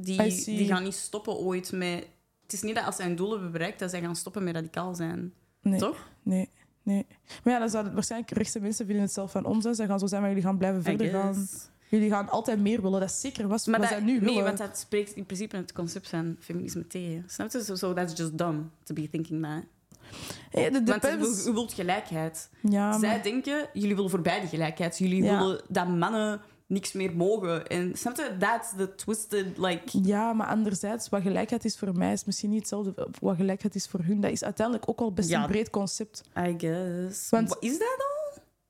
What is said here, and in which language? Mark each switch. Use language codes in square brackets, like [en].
[nl] Die gaan niet stoppen ooit met... Het is niet dat als zij hun doelen bereikt, dat zij gaan stoppen met radicaal zijn. Nee, toch? Nee. Maar ja, dan zouden waarschijnlijk rechtse mensen vinden het zelf van onzin. Zij gaan zo zijn, maar jullie gaan blijven verder gaan. Jullie gaan altijd meer willen. Dat is zeker wat zij nu willen. Nee, want dat spreekt in principe het concept van feminisme tegen. Snap je? [en] So that's just dumb to be thinking that. [nl] Hey, de want [en] depends. [nl] U wilt gelijkheid. Ja, zij maar... denken, jullie willen voorbij de gelijkheid. Jullie willen dat mannen niks meer mogen. En snap je? [en] That's the twisted, like... [nl] Ja, maar anderzijds, wat gelijkheid is voor mij, is misschien niet hetzelfde wat gelijkheid is voor hun. Dat is uiteindelijk ook al best een breed concept. [en] I guess. [nl] Want, is dat al?